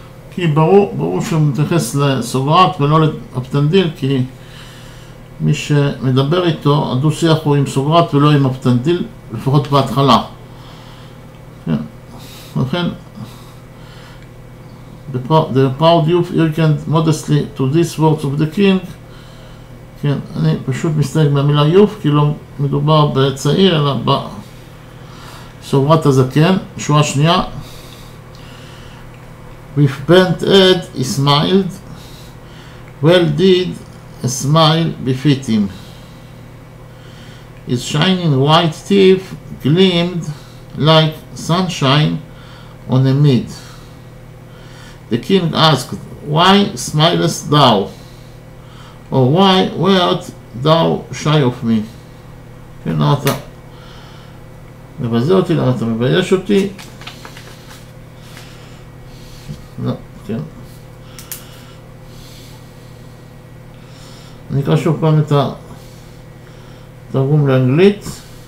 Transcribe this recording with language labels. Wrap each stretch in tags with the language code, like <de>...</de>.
<he>כי ברור שהוא מתייחס לסוגרת ולא לאפטנדיל, כי מי שמדבר איתו, הדו שיח הוא עם סוגרת ולא עם אפטנדיל, לפחות בהתחלה. כן, לכן,</he> <en>The proud youth hearkened modestly to these words of the king,</en> <he>כן, אני פשוט מסתייג מהמילה יוף, כי לא מדובר בצעיר, אלא בסוברת הזקן. שורה שנייה.</he> <en>With bent head, he smiled. Well did a smile befit him. His shining white teeth gleamed like sunshine on a mead. The king asked, Why smilest thou? Or why wert thou shy of me?</en> <he>כן, למה אתה מבזה אותי, למה אתה מבייש אותי? לא, כן. אני אקרא שוב פעם את התרגום לאנגלית.</he>